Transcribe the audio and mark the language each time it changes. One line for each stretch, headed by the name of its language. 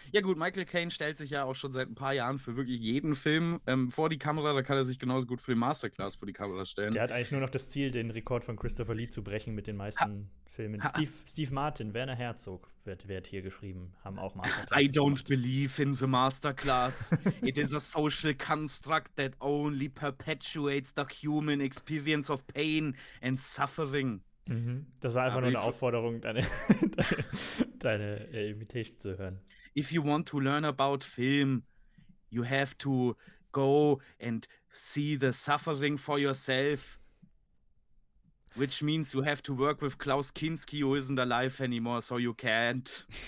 German: Ja gut, Michael Caine stellt sich ja auch schon seit ein paar Jahren für wirklich jeden Film vor die Kamera, da kann er sich genauso gut für die Masterclass vor die Kamera stellen. Der hat eigentlich nur noch das Ziel, den Rekord von Christopher Lee zu brechen mit den meisten Filmen. Steve Martin, Werner Herzog, wird hier geschrieben, haben auch
English: Masterclass. I don't believe in the Masterclass. It is a social construct that only perpetuates the human experience of pain and suffering. Mhm.
German: Das war einfach nur eine Aufforderung, deine Imitation zu hören.
English: If you want to learn about film, you have to go and see the suffering for yourself. Which means you have to work with Klaus Kinski, who isn't alive anymore, so you can't.